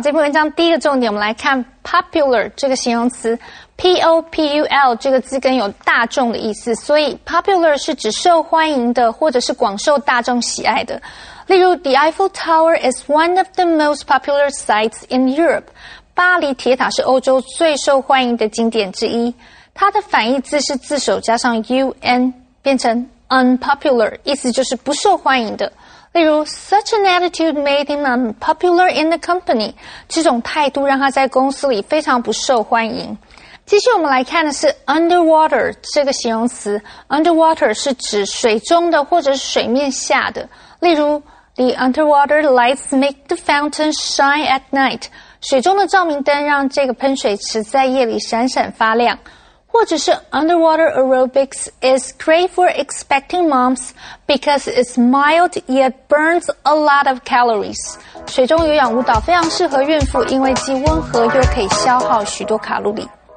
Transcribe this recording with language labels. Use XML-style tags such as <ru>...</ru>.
<zh>这篇文章第一个重点，我们来看 popular 这个形容词。 P-O-P-U-L 这个字根有大众的意思，所以 popular 是指受欢迎的或者是广受大众喜爱的。</zh> <en>例如 The Eiffel Tower is one of the most popular sites in Europe.</en> <zh>巴黎铁塔是欧洲最受欢迎的景点之一。它的反义字是自首加上 UN, 变成 unpopular, 意思就是不受欢迎的。</zh> <en>例如 ,such an attitude made him unpopular in the company,</en> <zh>这种态度让他在公司里非常不受欢迎。接下来我们来看的是 underwater, 这个形容词。 underwater 是指水中的或者是水面下的。</zh> <en>例如 ,the underwater lights make the fountain shine at night,</en> <zh>水中的照明灯让这个喷水池在夜里闪闪发亮。或者是</zh> <en>underwater aerobics is great for expecting moms because it's mild yet burns a lot of calories.</en> <zh>水中有氧舞蹈非常适合孕妇，因为既温和又可以消耗许多卡路里。</zh>